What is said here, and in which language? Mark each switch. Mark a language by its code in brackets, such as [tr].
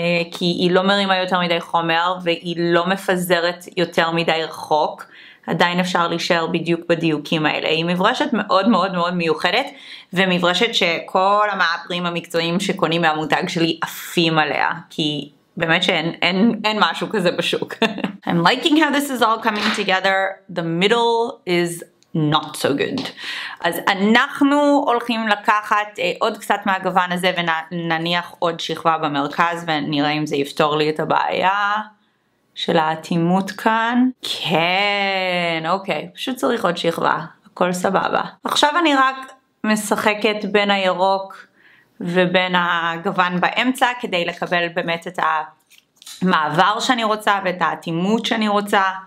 [he] כי היא לא מרימה יותר מדי חומר, והיא לא מפזרת יותר מדי רחוק. עדיין אפשר להישאר בדיוק בדיוקים האלה. היא מברשת מאוד מאוד מאוד מיוחדת, ומברשת שכל המעברים המקצועיים שקונים מהמותג שלי עפים עליה, כי באמת שאין משהו כזה בשוק. [en] I'm liking how this is all coming together. The middle is not so good. [he] אז אנחנו הולכים לקחת עוד קצת מהגוון הזה ונניח עוד שכבה במרכז ונראה אם זה יפתור לי את הבעיה של האטימות כאן. כן, אוקיי, פשוט צריך עוד שכבה, הכל סבבה. עכשיו אני רק משחקת בין הירוק ובין הגוון באמצע כדי לקבל באמת את המעבר שאני רוצה ואת האטימות שאני רוצה.